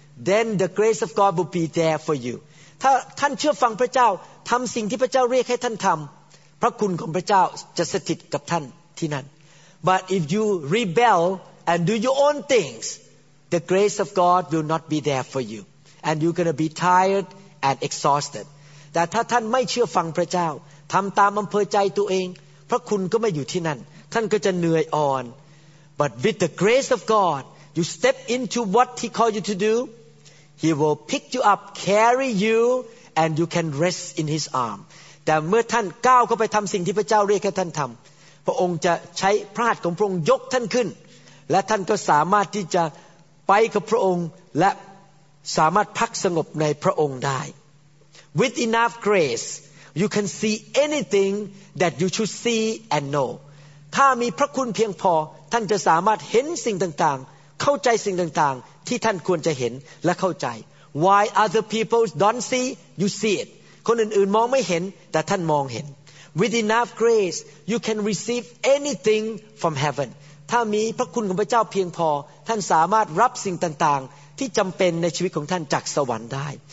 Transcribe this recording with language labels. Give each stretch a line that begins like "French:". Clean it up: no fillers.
English: then the grace of God will be there for you
Thai: ถ้าท่านเชื่อฟังพระเจ้าทำสิ่งที่พระเจ้าเรียกให้ท่านทำพระคุณของพระเจ้าจะสถิตกับท่านที่นั่น
English: But if you rebel and do your own things the grace of God will not be there for you and you're going to be tired and exhausted
Thai: แต่ถ้าท่านไม่เชื่อฟังพระเจ้าทำตามอำเภอใจตัวเองพระคุณก็ไม่อยู่ที่นั่นท่านก็จะเหนื่อยอ่อน
English: But with the grace of God, you step into what He called you to do, He will pick you up, carry you, and you can rest in His arm.
Thai: แต่เมื่อท่านก้าวเข้าไปทำสิ่งที่พระเจ้าเรียกให้ท่านทำพระองค์จะใช้พระหัตถ์ของพระองค์ยกท่านขึ้นและท่านก็สามารถที่จะไปกับพระองค์และสามารถพักสงบในพระองค์ได้
English: With enough grace you can see anything that you should see and know
Thai: ถ้ามีพระคุณเพียงพอท่านจะสามารถเห็นสิ่งต่างๆเข้าใจสิ่งต่างๆที่ท่านควรจะเห็นและเข้าใจ
English: Why other people don't see you see it
Thai: คนอื่นๆมองไม่เห็นแต่ท่านมองเห็น
English: With enough grace you can receive anything from heaven
Thai: ถ้ามีพระคุณของพระเจ้าเพียงพอท่านสามารถรับสิ่งต่างๆที่จำเป็นในชีวิตของท่านจากสวรรค์ได้